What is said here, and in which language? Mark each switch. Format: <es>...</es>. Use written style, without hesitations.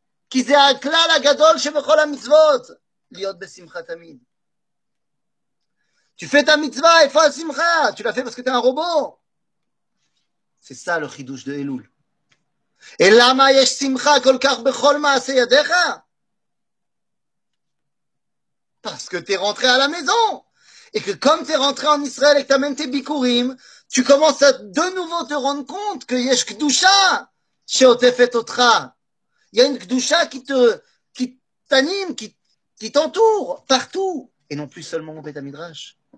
<he>כי זה הכלל הגדול שבכל המצוות, להיות בשמחה תמיד.</he> <fr>Tu fais ta mitzvah,</fr> <he>איפה השמחה?</he> <fr>Tu l'as fait parce que t'es un robot. C'est ça le חידוש de Elul.</fr> <he>Et למה יש שמחה כל כך בכל מעשה ידיך?</he> <fr>Parce que t'es rentré à la maison. Et que comme t'es rentré en Israël et que t'amènes tes bikurim, tu commences à de nouveau te rendre compte que</fr> <he>יש קדושה שעוטפת אותך.</he> <fr>Il y a une kdusha qui t'anime, qui t'entoure partout, et non plus seulement au Beit HaMidrash.</fr>